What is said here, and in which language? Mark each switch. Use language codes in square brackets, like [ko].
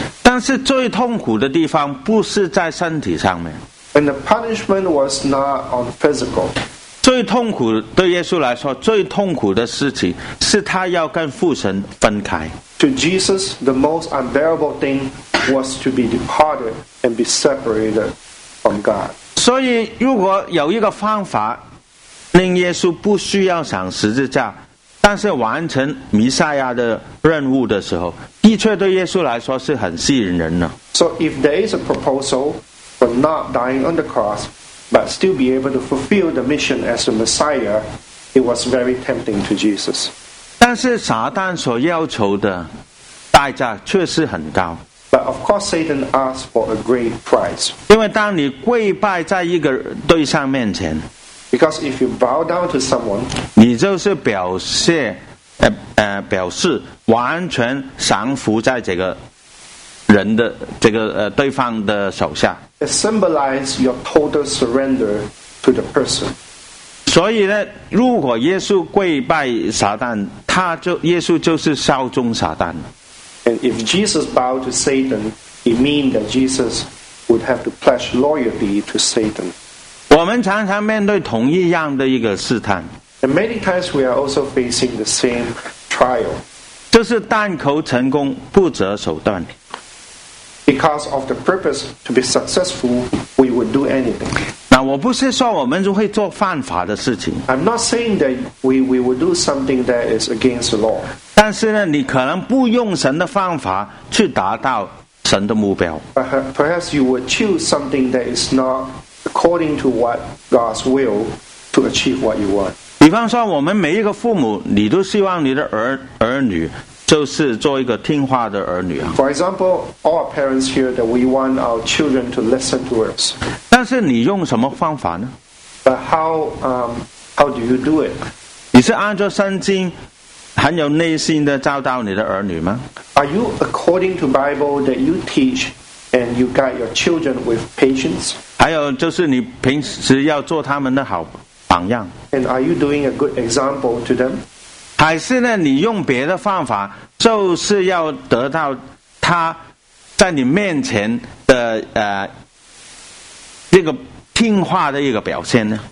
[zh] 但是最痛苦的地方不是在身体上面。 [en] And the punishment was not on physical. [zh] 最痛苦对耶稣来说，最痛苦的事情是他要跟父神分开。 [en] To Jesus, the most unbearable thing was to be departed and be separated from God. [zh] 所以如果有一个方法令耶稣不需要上十字架，但是完成弥赛亚的任务的时候，的确对耶稣来说是很吸引人的。 [en] So if there is a proposal for not dying on the cross, but still be able to fulfill the mission as a Messiah, it was very tempting to Jesus. [zh] 但是撒旦所要求的代价却是很高。 [en] But of course, Satan asked for a great price. [zh] 因为当你跪拜在一个对象面前。 [en] Because if you bow down to someone, [zh] 你就是表示完全降服在这个人的这个对方的手下。 [en] It symbolizes your total surrender to the person. [zh] 所以呢，如果耶稣跪拜撒旦，耶稣就是效忠撒旦。 [en] And if Jesus bowed to Satan, it means that Jesus would have to pledge loyalty to Satan. [zh] 我们常常面对同一样的一个试探。 [en] And many times we are also facing the same trial. [zh] 就是但求成功，不择手段。 [en] Because of the purpose to be successful, we would do anything. [zh] 那我不是说我们会做犯法的事情。 [en] I'm not saying that we would do something that is against the law. [zh] 但是呢，你可能不用神的方法去达到神的目标。 [en] Perhaps you would choose something that is not. According to what God's will to achieve what you want. [zh] 比方说，我们每一个父母，你都希望你的儿女就是做一个听话的儿女啊。 [en] For example, all parents here that we want our children to listen to us. [zh] 但是你用什么方法呢 [en] ？But how do you do it? [zh] 你是按照圣经很有内心的教导你的儿女吗 [en] ？Are you according to Bible that you teach and you guide your children with patience? [zh] 还有就是你平时要做他们的好榜样。 [en] And are you doing a good example to them? [zh] 还是呢，你用别的方法，就是要得到他在你面前的这个听话的一个表现呢？